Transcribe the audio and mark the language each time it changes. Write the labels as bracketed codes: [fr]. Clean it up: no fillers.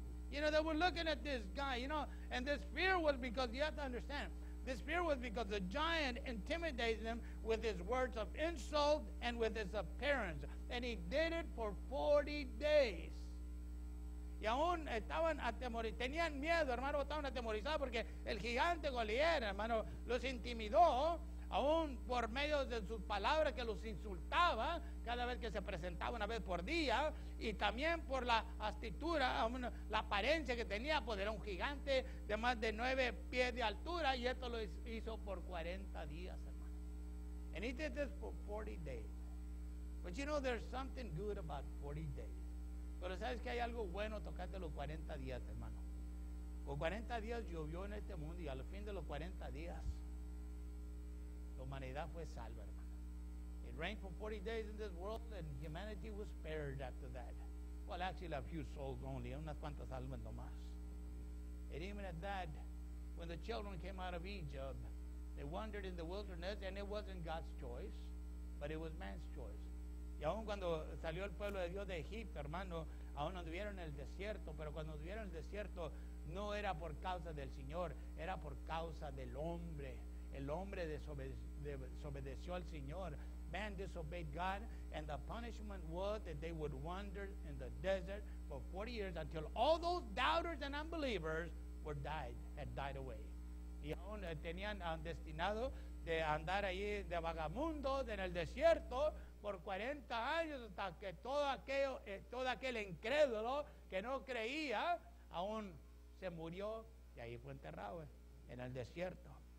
[en] You know, they were looking at this guy, you know, and this fear was because, you have to understand, this fear was because the giant intimidated them with his words of insult and with his appearance. And he did it for 40 days. [es] Y aún estaban atemorizados, tenían miedo, hermano, estaban atemorizados porque el gigante Goliat, hermano, los intimidó, aún por medio de sus palabras que los insultaba cada vez que se presentaba una vez por día, y también por la astitura, la apariencia que tenía, pues era un gigante de más de 9 pies de altura, y esto lo hizo por 40 días, hermano. [en] And he did this for 40 days. But you know, there's something good about 40 days. [es] Pero sabes que hay algo bueno tocarte los 40 días, hermano. Con 40 días llovió en este mundo y al fin de los 40 días la humanidad fue salva, hermano. [en] It rained for 40 days in this world and humanity was spared after that. Well, actually a few souls only, [es] unas cuantas almas nomás. [en] And even at that, when the children came out of Egypt, they wandered in the wilderness and it wasn't God's choice, but it was man's choice. [es] Y aún cuando salió el pueblo de Dios de Egipto, hermano, aún anduvieron en el desierto, pero cuando anduvieron en el desierto no era por causa del Señor, era por causa del hombre. El hombre desobedeció al Señor. [en] Man disobeyed God, and the punishment was that they would wander in the desert for 40 years until all those doubters and unbelievers were died, had died away. [es] Y aún tenían destinado de andar allí de vagamundos en el desierto por 40 años, hasta que todo aquel incrédulo que no creía aún se murió y ahí fue enterrado en el desierto.